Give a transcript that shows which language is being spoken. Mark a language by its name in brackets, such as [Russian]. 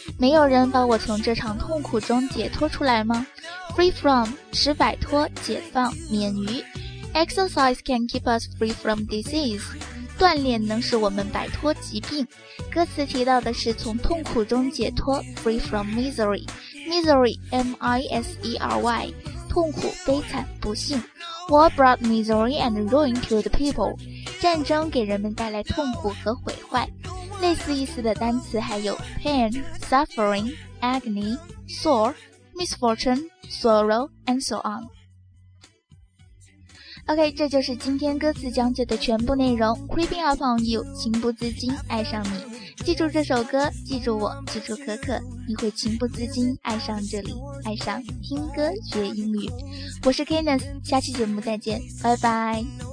[Chinese] 没有人把我从这场痛苦中解脱出来吗？ Free from, 使摆脱、解放、免于。 [English] Exercise can keep us free from disease. [Chinese] 锻炼能使我们摆脱疾病。歌词提到的是从痛苦中解脱， [English] free from misery. [Chinese] Misery, M-I-S-E-R-Y, 痛苦、悲惨、不幸。 [English] War brought misery and ruin to the people. [Chinese] 战争给人们带来痛苦和毁坏。类似意思的单词还有 pain, suffering, agony, sore, misfortune, sorrow, and so on. OK, 这就是今天歌词讲解的全部内容。 [English] Creeping upon you, [Chinese] 情不自禁爱上你。记住这首歌，记住我，记住可可，你会情不自禁爱上这里，爱上听歌学英语。我是 Candice, 下期节目再见，拜拜。